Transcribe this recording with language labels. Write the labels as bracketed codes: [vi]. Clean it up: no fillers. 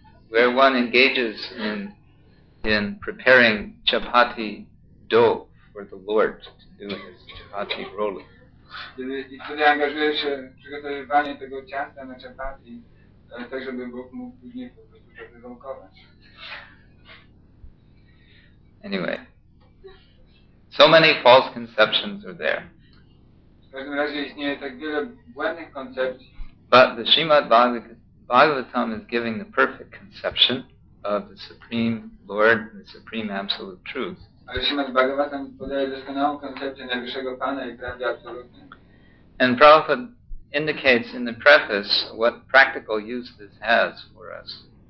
[en] Where one engages in preparing chapati dough for the Lord to do his chapati rolling. [pl] I wtedy angażuje się w przygotowywanie tego ciasta na chapati, tak żeby Bóg mógł później po prostu to wyrolkować. [en] Anyway, so many false conceptions are there. [pl] W każdym razie istnieje tak wiele błędnych koncepcji. [en] But the Srimad Bhagavatam is giving the perfect conception of the Supreme Lord and the Supreme Absolute Truth. [pl] Ale Srimad Bhagavatam podaje doskonałą koncepcję Najwyższego Pana i Prawdy Absolutnej. [en] And Prabhupada indicates in the preface what practical use this has for us.